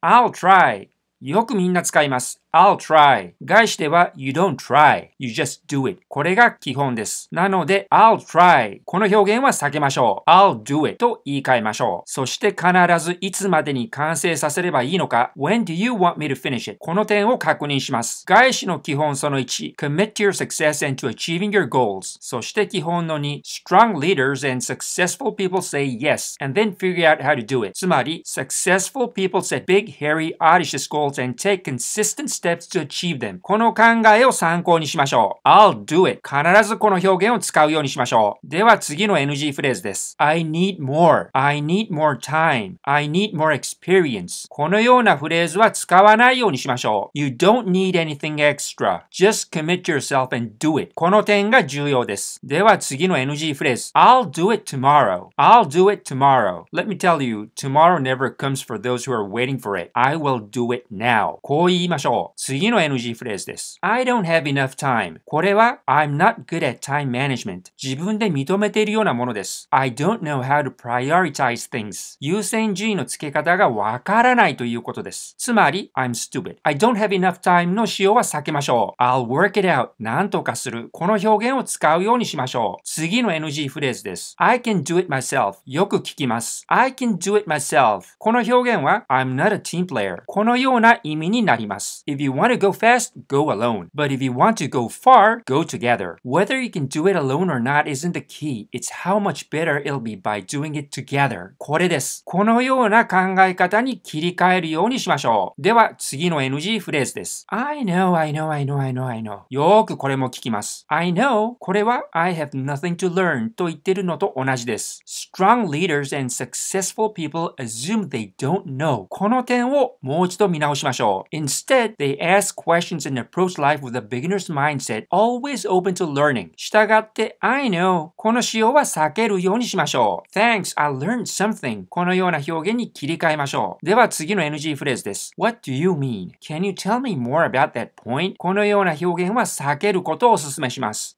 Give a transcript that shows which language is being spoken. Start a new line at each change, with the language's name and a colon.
English: I'll try。
Japanese: よくみんな使います。
English: I'll try。
Japanese: 外資では、
English: You don't try。You just do it。
Japanese: これが基本です。なので、
English: I'll try。
Japanese: この表現は避けましょう。
English: I'll do it
Japanese: と言い換えましょう。そして必ず、いつまでに完成させればいいのか。
English: When do you want me to finish it?
Japanese: この点を確認します。外資の基本その1、
English: Commit to your success and to achieving your goals。
Japanese: そして基本の2、
English: Strong leaders and successful people say yes and then figure out how to do it。つまり、Successful people set big, hairy, audacious goals and take consistent steps to achieve them.
Japanese: この考えを参考にしましょう。
English: I'll do it.
Japanese: 必ずこの表現を使うようにしましょう。では次の NG フレーズです。
English: I need more. I need more time. I need more experience.
Japanese: このようなフレーズは使わないようにしましょう。
English: You don't need anything extra. Just commit yourself and do it.
Japanese: この点が重要です。では次の NG フレーズ。
English: I'll do it tomorrow. I'll do it tomorrow. Let me tell you, tomorrow never comes for those who are waiting for it. I will do it now.
Japanese: こう言いましょう。次の NG フレーズです。
English: I don't have enough time. これは I'm not good at time management.
Japanese: 自分で認めているようなものです。
English: I don't know how to prioritize things.
Japanese: 優先順位の付け方がわからないということです。
English: つまり I'm stupid. I don't have enough time
Japanese: の使用は避けましょう。
English: I'll work it out.
Japanese: なんとかする。この表現を使うようにしましょう。次の NG フレーズです。
English: I can do it myself.
Japanese: よく聞きます。
English: I can do it myself.
Japanese: この表現は
English: I'm not a team player.
Japanese: このような意味になります。
English: If you want to go fast, go alone. But if you want to go far, go together. Whether you can do it alone or not isn't the key. It's how much better it'll be by doing it together.
Japanese: これです。このような考え方に切り替えるようにしましょう。では、次の NG フレーズです。
English: I know, I know, I know, I know, I know.
Japanese: よくこれも聞きます。I know. これは
English: I have nothing to learn
Japanese: と言ってるのと同じです。
English: Strong leaders and successful people assume they don't know.
Japanese: この点をもう一度見直しましょう。
English: Instead, they ask questions and approach life with a beginner's mindset, always open to learning.
Japanese: したがって、I know. この使用は避けるようにしましょう。
English: Thanks, I learned something.
Japanese: このような表現に切り替えましょう。では次の NG フレーズです。
English: What do you mean? Can you tell me more about that point?
Japanese: このような表現は避けることをお勧めします。